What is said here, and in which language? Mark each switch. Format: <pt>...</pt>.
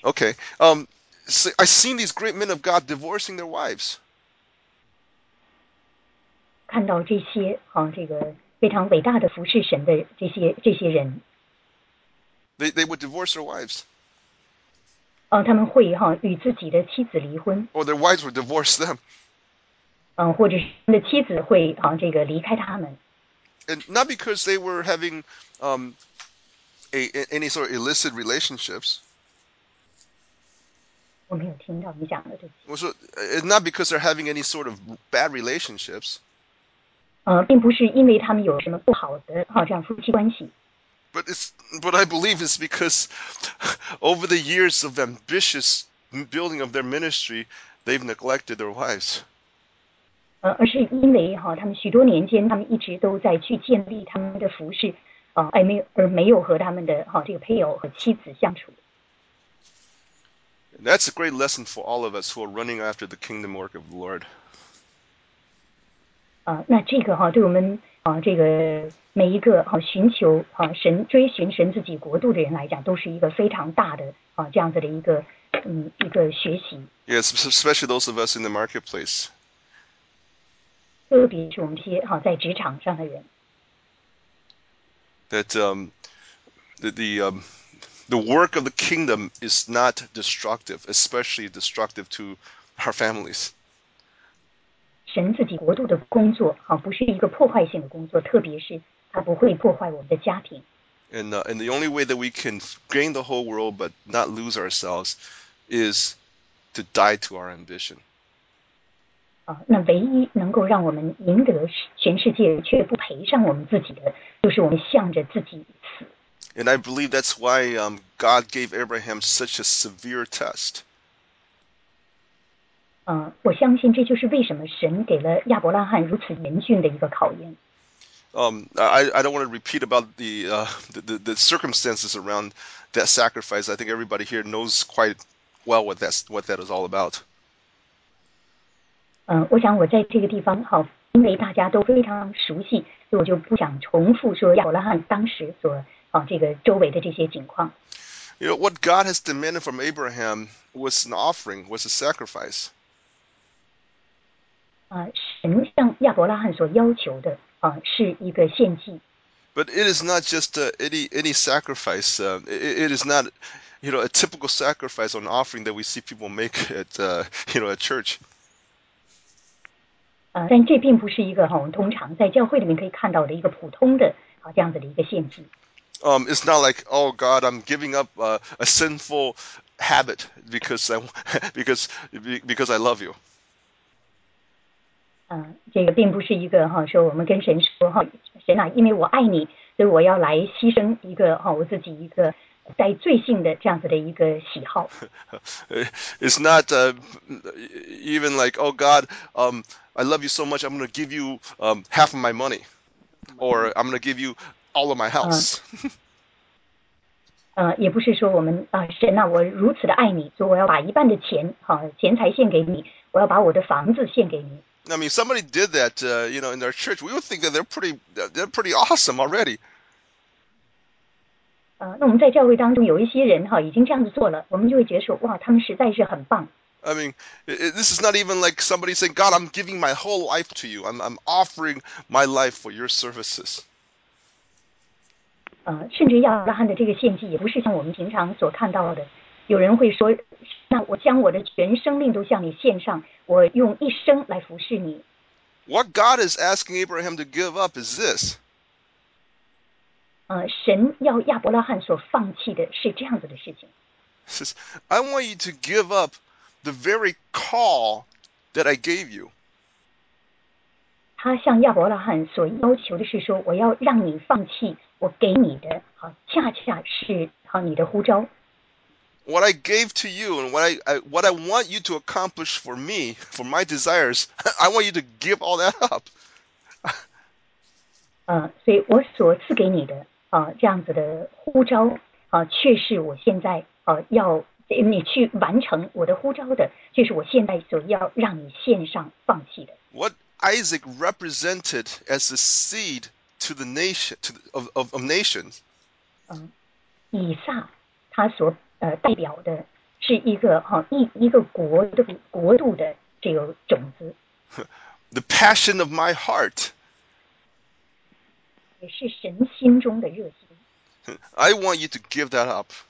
<en>Okay，So I seen these great men of God divorcing their wives.</en> <zh>看到这些，这个非常伟大的服侍神的这些人。</zh> <en>They would divorce their wives.</en> <zh>他们会与自己的妻子离婚。</zh> <en>Or their wives would divorce them.</en> <zh>或者是他们的妻子会这个离开他们。</zh> <en>And not because they were having any sort of illicit relationships.</en> <zh>我没有听到你讲的这我说，</zh> <en>it's not because they're having any sort of bad relationships.</en> <zh>些。并不是因为他们有什么不好的这样夫妻关系。</zh> <en>But I believe it's because over the years of ambitious building of their ministry, they've neglected their wives.</en> <zh>而是因为他们许多年间，他们一直都在去建立他们的服饰，而没有和他们的这个配偶和妻子相处。</zh> <en>That's a great lesson for all of us who are running after the kingdom work of the Lord.</en> <zh>那这个对我们这个每一个寻求神追寻神自己国度的人来讲，都是一个非常大的这样子的一个学习。</zh> <en>Yes, especially those of us in the marketplace.</en> <zh>特别是我们这些在职场上的人。</zh> <en>That the work of the kingdom is not destructive, especially destructive to our families.</en> <zh>神自己国度的工作不是一个破坏性的工作，特别是它不会破坏我们的家庭。</zh> <en>And the only way that we can gain the whole world but not lose ourselves is to die to our ambition.</en> <zh>那唯一能够让我们赢得全世界却不赔上我们自己的，就是我们向着自己死。</zh> <en>And I believe that's why God gave Abraham such a severe test.</en> <zh>我相信这就是为什么神给了亚伯拉罕如此严峻的一个考验。</zh> <en>I don't want to repeat about the circumstances around that sacrifice. I think everybody here knows quite well what that is all about.</en> <zh>我想我在这个地方哈，因为大家都非常熟悉，所以我就不想重复说亚伯拉罕当时所这个周围的这些情况。</zh> <en>You know, what God has demanded from Abraham was an offering, was a sacrifice.</en> <zh>神向亚伯拉罕所要求的是一个献祭。</zh> <en>But it is not just any sacrifice. It is not, a typical sacrifice or an offering that we see people make at a church.</en> <zh>但这并不是一个我们通常在教会里面可以看到的一个普通的这样子的一个献祭。</zh> <en>It's not like, oh God, I'm giving up a sinful habit because I love you.</en> <zh>这个并不是一个说我们跟神说神啊，因为我爱你，所以我要来牺牲一个我自己一个带罪性的这样子的一个喜好。</zh> <en>It's not even like, oh God, I love you so much, I'm going to give you half of my money, or I'm going to give you all of my house.</en> <zh>也不是说我们神啊，我如此的爱你，所以我要把一半的钱钱财献给你，我要把我的房子献给你。</zh> <en>I mean, somebody did that, in their church. We would think that they're pretty awesome already.</en> <zh>那我们在教会当中有一些人已经这样子做了，我们就会觉得说哇，他们实在是很棒。</zh> <en>I mean, this is not even like somebody saying, "God, I'm giving my whole life to you. I'm offering my life for your services."</en> <zh>甚至亚伯拉罕的这个献祭也不是像我们平常所看到的，有人会说，那我将我的全生命都向你献上，我用一生来服侍你。</zh> <en>What God is asking Abraham to give up is this.</en> <zh>神要亚伯拉罕所放弃的是这样子的事情。</zh> <en>Says, I want you to give up the very call that I gave you.</en> <zh>他向亚伯拉罕所要求的是说，我要让你放弃我给你的，恰恰是你的呼召。</zh> <en>What I gave to you and what I want you to accomplish for me, for my desires, I want you to give all that up.</en> <zh>所以我所赐给你的这样子的呼召却是我现在要你去完成我的呼召的，就是我现在所要让你献上放弃的。</zh> <en>What Isaac represented as the seed to the nation to the, of nations.</en> <zh>以撒他所代表的是一个一个国度的这个种子。</zh> <en>The passion of my heart.</en> <zh>也是神心中的热心。</zh> <en>I want you to give that up.</en>